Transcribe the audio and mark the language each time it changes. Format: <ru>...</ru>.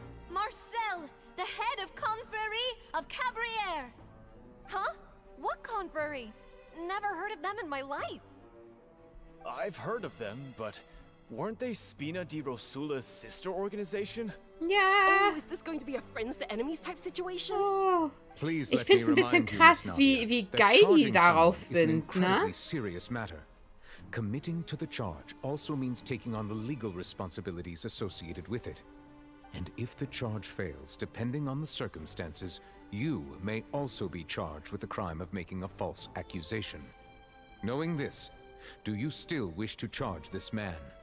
<en>Marcel, the head of Confrere of Cabrière. Huh? What Confrere? Never heard of them in my life. I've heard of them, but weren't they Spina di Rosula's sister organization? Yeah. Oh, is this going to be a friends to enemies type situation? Please,</en> <de>ich finde es ein bisschen krass, wie geil die darauf sind, ne?</de> <en>Serious matter. Committing to the charge also means taking on the legal responsibilities associated with it. And if the charge fails, depending on the circumstances, you may also be charged with the crime of making a false accusation. Knowing this, do you still wish to charge this man?</en>